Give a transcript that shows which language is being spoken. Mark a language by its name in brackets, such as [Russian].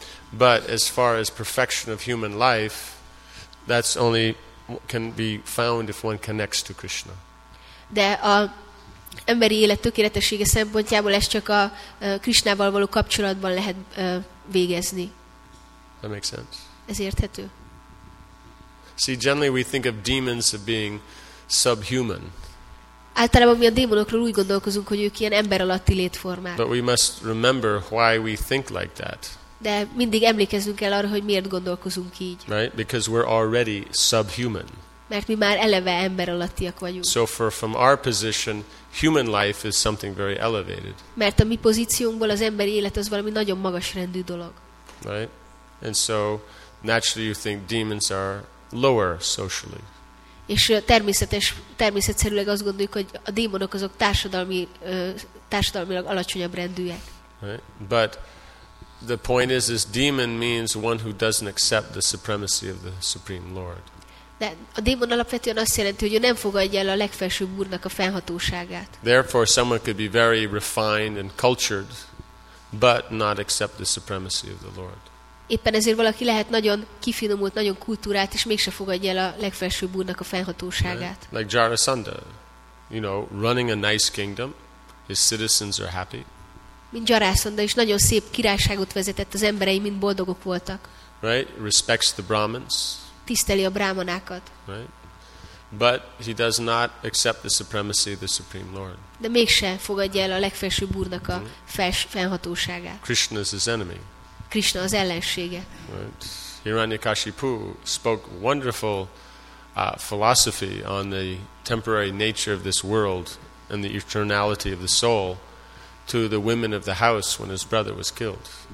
[English] But as far as perfection of human life, that's only can be found if one connects to Krishna. [Hungarian] De a emberi élet tökéletessége szempontjából ez csak a Krishnával való kapcsolatban lehet végezni. [English] That makes sense. [Hungarian] Ez érthető. [English] See, generally we think of demons as being subhuman. [Hungarian] Általában mi a démonokról úgy gondolkozunk, hogy ők ilyen ember alatti létformák. [English] But we must remember why we think like that. [Hungarian] De mindig emlékezzünk el arra, hogy miért gondolkozunk így. [English] Right? Because we're already subhuman. [Hungarian] mert mi már eleve ember alattiak vagyunk. [English] So for from our position, human life is something very elevated. [Hungarian] Mert a mi pozíciónkból az emberi élet az valami nagyon magas rendű dolog. [English] Right? And so naturally you think demons are lower socially. [Hungarian] És természetszerűleg azt gondoljuk, hogy a démonok azok társadalmilag alacsonyabb rendűek. [English] Right? But the point is demon means one who doesn't accept the supremacy of the supreme lord. [Hungarian] De a démon alapvetően azt jelenti, hogy ő nem fogadja el a legfelsőbb úrnak a fennhatóságát. [English] Therefore someone could be very refined and cultured but not accept the supremacy of the lord. [Hungarian] Éppen ezért valaki lehet nagyon kifinomult, nagyon kultúrát, és mégse fogadja el a legfelsőbb úrnak a fennhatóságát. [English] Right? Like Jarasandha, you know, running a nice kingdom, his citizens are happy. [Hungarian] Mint Jarasandha is nagyon szép királyságot vezetett, az emberei mind boldogok voltak. [English] Right? Respects the Brahmins. [Hungarian] Tiszteli a brámanákat. [English] Right? But he does not accept the supremacy of the supreme lord. [Hungarian] De mégse fogadja el a legfelsőbb úrnak a fennhatóságát. [English] Krishna is his enemy. [Hungarian] Krishna az ellensége. [English] Right. Hiranyakashipu spoke wonderful philosophy on the temporary nature of this world and the eternality of the soul to the women of the house when his brother was killed.